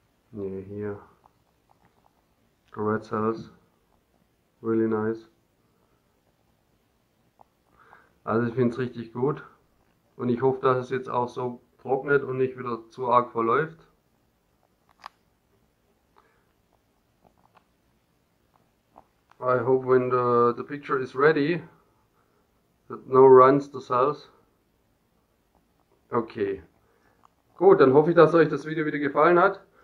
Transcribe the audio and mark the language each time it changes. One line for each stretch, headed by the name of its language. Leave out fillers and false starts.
German: Nee, hier.
English: The Red Cells. Really nice.
German: Also ich finde es richtig gut. Und ich hoffe, dass es jetzt auch so trocknet und nicht wieder zu arg verläuft.
English: I hope when the picture is ready, that no runs the cells. Okay.
German: Gut, dann hoffe ich, dass euch das Video wieder gefallen hat.